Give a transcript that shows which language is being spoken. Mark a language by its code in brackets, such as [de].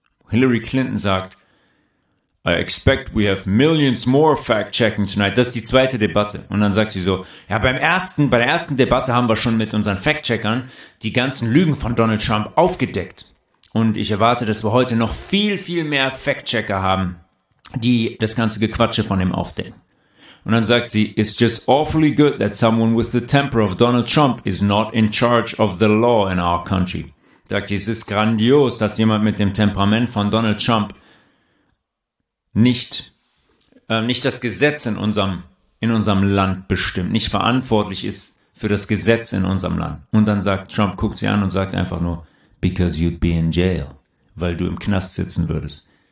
[de] Hillary Clinton sagt, [en] I expect we have millions more fact-checking tonight. [de] Das ist die zweite Debatte. Und dann sagt sie so, ja, bei der ersten Debatte haben wir schon mit unseren Fact-Checkern die ganzen Lügen von Donald Trump aufgedeckt. Und ich erwarte, dass wir heute noch viel, viel mehr Fact-Checker haben, die das ganze Gequatsche von ihm aufdecken. Und dann sagt sie, [en] it's just awfully good that someone with the temper of Donald Trump is not in charge of the law in our country. [de] Sagt sie, es ist grandios, dass jemand mit dem Temperament von Donald Trump nicht das Gesetz in unserem Land bestimmt, nicht verantwortlich ist für das Gesetz in unserem Land. Und dann sagt Trump, guckt sie an und sagt einfach nur, [en] because you'd be in jail, [de] weil du im Knast sitzen würdest.